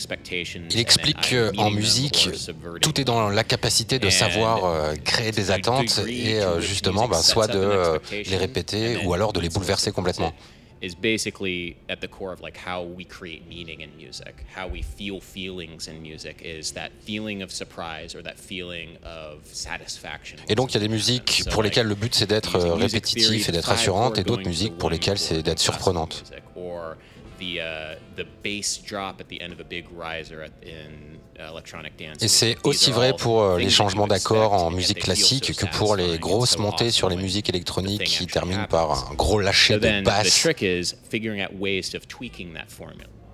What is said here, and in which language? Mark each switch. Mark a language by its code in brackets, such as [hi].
[fr] Il explique qu'en musique, tout est dans la capacité de savoir créer des attentes et justement, soit de les répéter ou alors de les bouleverser complètement. [en] Is basically at the core of like how we create meaning in music, how we feel feelings in music is that feeling of surprise or that feeling of satisfaction. [fr] Et donc il y a des musiques pour lesquelles le but c'est d'être répétitif et d'être rassurante et d'autres musiques pour lesquelles c'est d'être surprenante. [en] Or the bass drop at the end of a big riser in electronic dance. [fr] Et c'est aussi vrai pour les changements d'accords en musique classique que pour les grosses montées sur les musiques électroniques qui terminent par un gros lâcher de basse. [en] The trick is figuring out ways of tweaking that formula.